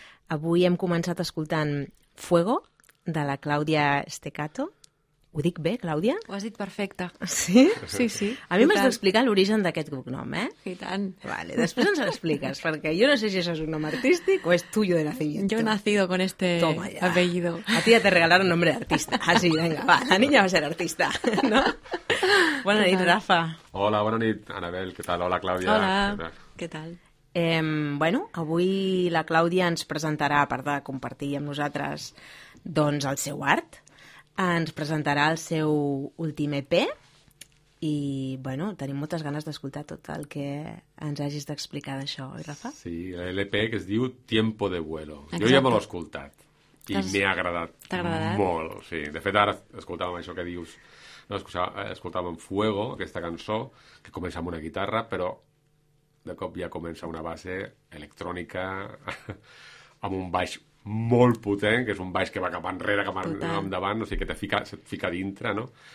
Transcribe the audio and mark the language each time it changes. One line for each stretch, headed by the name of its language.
Catalan: Avui hem començat escoltant Fuego, de la Claudia Steccato. Ho dic bé, Clàudia? Ho has dit perfecte. Sí? Sí, sí. A mi m'has d'explicar l'origen d'aquest cognom, eh? I tant. Vale, després ens l'expliques, perquè jo no sé si això és un nom artístic o és
Spanish: tuyo de nacimiento. Yo he nacido con este apellido. A ti ya te regalaron nombre de artista. Ah, sí, venga, va, la niña va a ser artista, ¿no?
Catalan: Bona nit, Rafa. Hola, bona nit, Anabel. Què tal? Hola, Clàudia. Hola, què tal? Bueno, avui la Clàudia ens presentarà, a part de compartir amb nosaltres, doncs, el seu art. Ens presentarà el seu últim EP i, bueno, tenim moltes ganes d'escoltar tot el que ens hagis d'explicar d'això, oi, Rafa? Sí, l'EP que es diu Tiempo de Vuelo. Exacte. Jo ja me l'he escoltat i m'he agradat. T'ha agradat? Molt, sí. De fet, ara escoltàvem això que dius. No, escoltàvem Fuego, aquesta cançó, que comença amb una guitarra, però de cop ja comença una base electrònica amb un baix molt potent, que és un baix que va cap enrere, cap endavant, o sigui, que se't fica dintre, no?